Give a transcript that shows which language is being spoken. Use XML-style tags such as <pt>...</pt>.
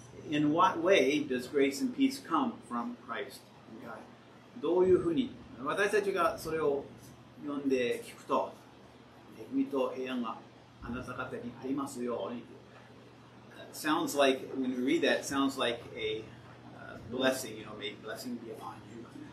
<en>In what way does grace and peace come from Christ and God?</en> <ja>どういうふうに私たちがそれを読んで聞くと、恵みと平安があなた方にありますように。</ja> <en>Sounds like, when you read that, sounds like a blessing, you know, may blessing be upon you.</en>